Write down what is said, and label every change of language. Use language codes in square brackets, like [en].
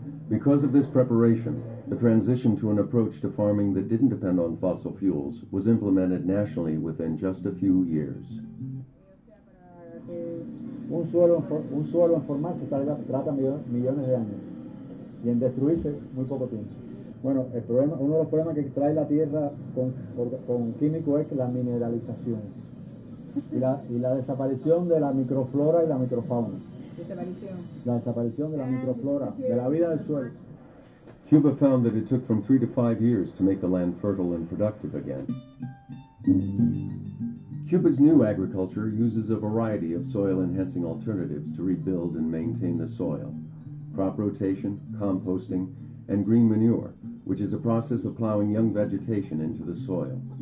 [en] Because of this preparation, the transition to an approach to farming that didn't depend on fossil fuels was implemented nationally within just a few years. [es] Bueno, el problema, uno de los problemas que trae la tierra con químico es la mineralización y la desaparición de la microflora y la microfauna. La desaparición de la microflora, de la vida del suelo. [en] Cuba found that it took from 3 to 5 years to make the land fertile and productive again. Cuba's new agriculture uses a variety of soil-enhancing alternatives to rebuild and maintain the soil. Crop rotation, composting, and green manure, which is a process of plowing young vegetation into the soil.